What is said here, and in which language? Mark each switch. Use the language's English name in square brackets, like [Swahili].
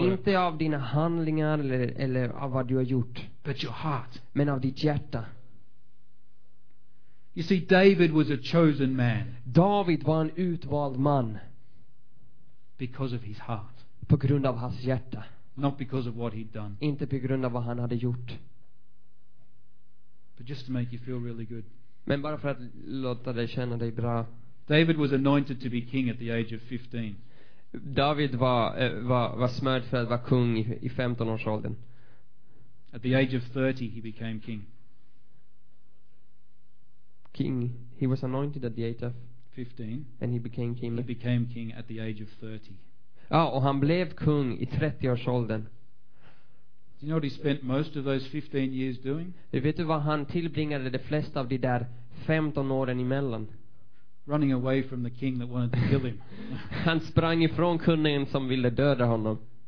[Swedish] Inte av dina handlingar eller av vad du har gjort. [English] But your heart. [Swedish] Men av ditt hjärta. [English] You see, David was a chosen man. [Swedish] David var en utvald man. [English] Because of his heart. [Swedish] På grund av hans hjärta. [English] Not because of what he'd done. [Swedish] Inte på grund av vad han hade gjort. [English] But just to make you feel really good. [Swedish] Men bara för att låta dig känna dig bra. [English] David was anointed to be king at the age of 15. [Swedish] David var smörd för att vara kung i 15 års åldern. [English] At the age of 30 he became king. King, he was anointed at the age of 15 and he became king. He became king at the age of 30. [Swedish] Oh, och han blev kung i 30 års åldern. [English] Do you know what he spent most of those 15 years doing? [Swedish] Vet du vad han tillbringade de flesta av de där 15 åren emellan? [English] Running away from the king that wanted to kill him. [Swedish] Han sprang ifrån kungen som ville döda honom.